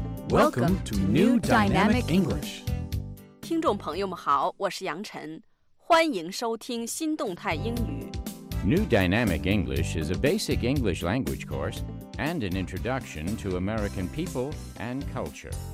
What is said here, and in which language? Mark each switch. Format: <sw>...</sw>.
<en>Welcome to New Dynamic English.</en> <zh>听众朋友们好，我是杨晨，欢迎收听新动态英语。</zh> <en>New Dynamic English is a basic English language course and an introduction to American people and culture.</en>